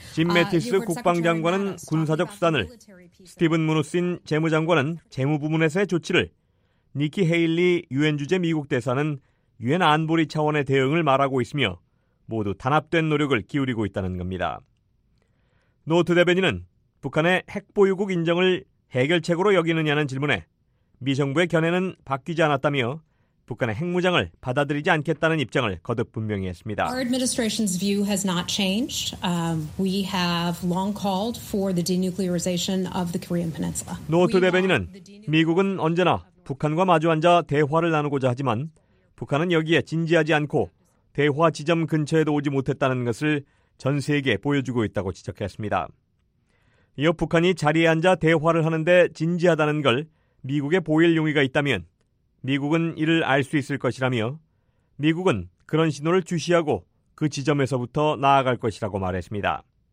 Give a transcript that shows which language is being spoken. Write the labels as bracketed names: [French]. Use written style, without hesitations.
[Korean] 짐 매티스 국방장관은 군사적 수단을, 스티븐 무누신 재무장관은 재무 부문에서의 조치를, 니키 헤일리 유엔 주재 미국 대사는 유엔 안보리 차원의 대응을 말하고 있으며 모두 단합된 노력을 기울이고 있다는 겁니다. 노트 대변인은 북한의 핵 보유국 인정을 해결책으로 여기느냐는 질문에 미 정부의 견해는 바뀌지 않았다며 북한의 핵무장을 받아들이지 않겠다는 입장을 거듭 분명히 했습니다. [English] Our administration's view has not changed. We have long called for the denuclearization of the Korean Peninsula. [Korean] 노트 대변인은 미국은 언제나 북한과 마주앉아 대화를 나누고자 하지만 북한은 여기에 진지하지 않고 대화 지점 근처에도 오지 못했다는 것을 전 세계에 보여주고 있다고 지적했습니다. 이어 북한이 자리에 앉아 대화를 하는데 진지하다는 걸 미국에 보일 용의가 있다면 미국은 이를 알 수 있을 것이라며 미국은 그런 신호를 주시하고 그 지점에서부터 나아갈 것이라고 말했습니다.